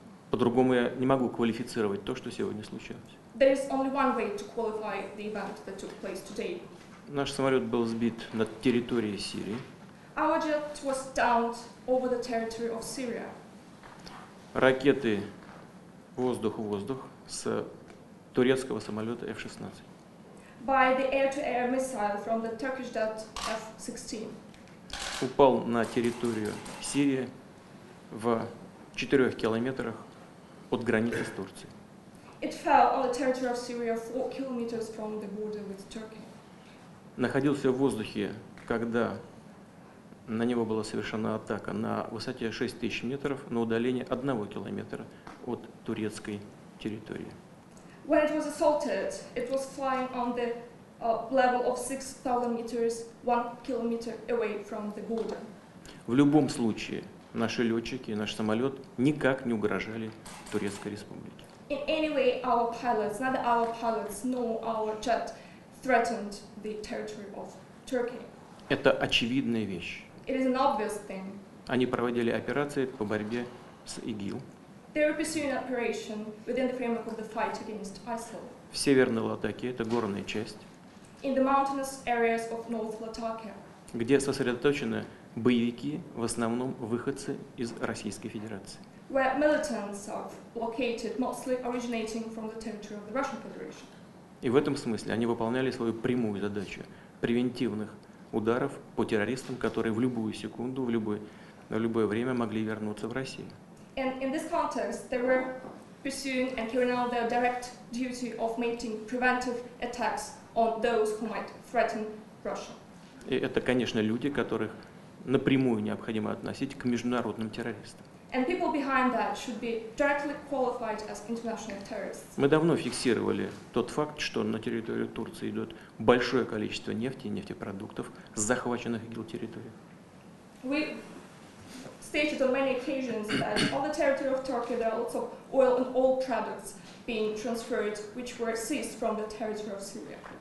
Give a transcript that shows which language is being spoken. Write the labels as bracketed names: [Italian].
[Russian] По-другому я не могу квалифицировать то, что сегодня случилось. [English] There is only one way to qualify the event that took place today. [Russian] Наш самолет был сбит над территорией Сирии. [English] Our jet was downed over the territory of Syria. [Russian] Ракеты воздух-воздух с турецкого самолета F-16. [English] By the air-to-air missile from the Turkish jet F-16. [Russian] Упал на территорию Сирии в 4 километрах от границы с Турцией. [English] It fell on the territory of Syria 4 kilometers from the border with Turkey. [Russian] Находился в воздухе, когда на него была совершена атака на высоте 6000 метров, на удалении 1 километра от турецкой территории. [English] When it was assaulted, it was flying on the level of 6000 meters, 1 kilometer away from the border. [Russian] В любом случае, наши летчики и наш самолет никак не угрожали Турецкой Республике. [English] In any way, our pilots, neither our pilots nor our jet threatened the territory of Turkey. [Russian] Это очевидная вещь. [English] It is an obvious thing. [Russian] Они проводили операции по борьбе с ИГИЛ. [English] They were pursuing an operation within the framework of the fight against ISIL. [Russian] В Северной Латакии, это горная часть. [English] In the mountainous areas of North Latakia. [Russian] Где сосредоточены боевики, в основном выходцы из Российской Федерации. [English] Where militants are located, mostly originating from the territory of the Russian Federation. [Russian] И в этом смысле они выполняли свою прямую задачу превентивных ударов по террористам, которые в любую секунду, в любое время могли вернуться в Россию. [English] And in this context, they were pursuing and carrying out their direct duty of making preventive attacks on those who might threaten Russia. [Russian] И это, конечно, люди, которых напрямую необходимо относить к международным террористам. [English] And people behind that should be directly qualified as international terrorists. [Russian] Мы давно фиксировали тот факт, что на территорию Турции идет большое количество нефти и нефтепродуктов с захваченных ИГИЛ территорий. [English] We stated on many occasions that on the territory of Turkey there are lots of oil and oil products being transferred, which were seized from the territory of Syria.